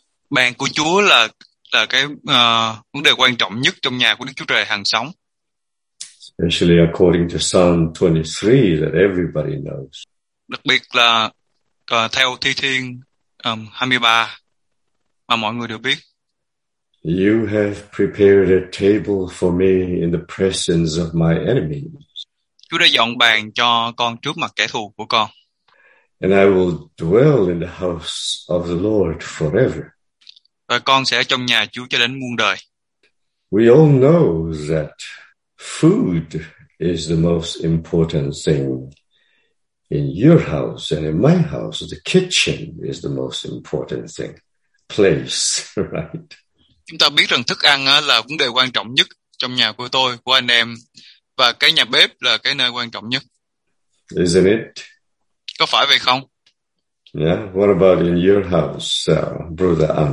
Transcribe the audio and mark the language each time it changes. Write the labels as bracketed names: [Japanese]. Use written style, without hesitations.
[Vietnamese] Bàn của Chúa là cái vấn đề quan trọng nhất trong nhà của Đức Chúa Trời hàng sống. [English] Especially according to Psalm 23 that everybody knows. [Vietnamese] Đặc biệt là theo Thi Thiên 23 mà mọi người đều biết. [English] You have prepared a table for me in the presence of my enemies. [Vietnamese] Chúa đã dọn bàn cho con trước mặt kẻ thù của con. [English] And I will dwell in the house of the Lord forever. [Vietnamese] Và con sẽ ở trong nhà Chúa cho đến muôn đời. [English] We all know that food is the most important thing in your house and in my house. The kitchen is the most important thing, place, right? [Vietnamese] Chúng ta biết rằng thức ăn là vấn đề quan trọng nhất trong nhà của tôi, của anh em, và cái nhà bếp là cái nơi quan trọng nhất. [English] Isn't it? [Vietnamese] Có phải vậy không? [English] Yeah, what about in your house, Brother